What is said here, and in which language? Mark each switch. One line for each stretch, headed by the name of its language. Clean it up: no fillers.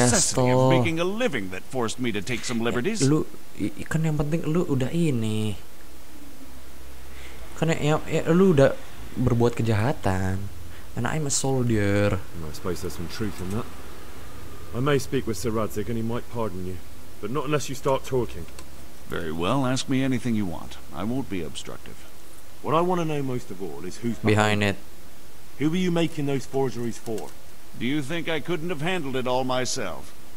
English: It was the necessity of making a living that forced me to take some liberties.
Indonesian: Lu, kan yang penting lu udah ini. Kan lu udah berbuat kejahatan.
English: And I'm a soldier. I suppose there's some truth in that. I may speak with Sir Radzik and he might pardon you. But not unless you start talking. Very well, ask me anything you want. I won't be obstructive. What I want to know most of all is who's behind it. Who were you making those forgeries for? Do you think I couldn't have handled it all myself?